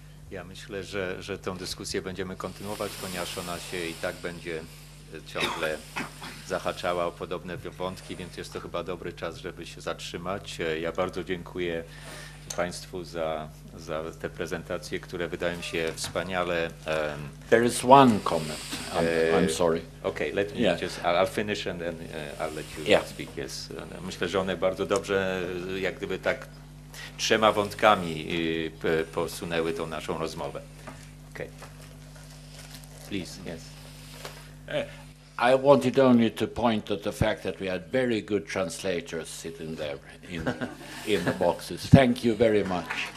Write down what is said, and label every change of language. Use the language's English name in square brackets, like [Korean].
[Polish] Ja myślę, że tę dyskusję będziemy kontynuować, ponieważ ona się i tak będzie ciągle zahaczała o podobne wątki, więc jest to chyba dobry czas, żeby się zatrzymać. Ja bardzo dziękuję Państwu za te prezentacje, które wydają się wspaniale. [English] There is one comment. I'm sorry. Okay, let me just. I'll finish and then I'll let you speak. Yes. [Polish] Myślę, że one bardzo dobrze, jak gdyby tak trzema wątkami posunęły tą naszą rozmowę. [English] Okay. Please. Yes. I wanted only to point to the fact that we had very good translators sitting there in the boxes. Thank you very much.